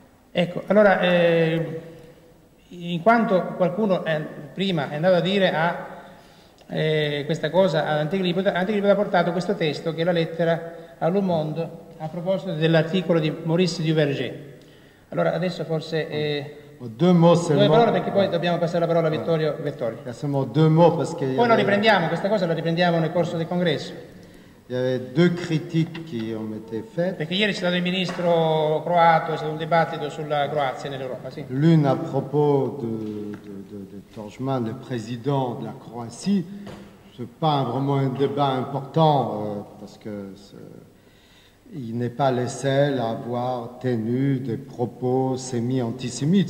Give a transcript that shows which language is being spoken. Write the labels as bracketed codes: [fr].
[it] Ecco, allora, in quanto qualcuno prima è andato a dire questa cosa ad Antegripota, Antegripota ha portato questo testo, che è la lettera a Le Monde, a proposito dell'articolo di Maurice Duverger. Allora, adesso forse... Due parole, perché poi dobbiamo passare la parola a Vittorio Vettori. Poi lo riprendiamo, questa cosa la riprendiamo nel corso del congresso. [fr] Il y avait deux critiques qui ont été faites. [it] Perché ieri c'è stato il ministro croato, c'è stato un dibattito sulla Croazia nell'Europa, sì. [fr] L'une à propos de Tudjman, le président de la Croatie, c'est pas vraiment un débat important parce que il n'est pas le seul à avoir tenu des propos semi-antisémites.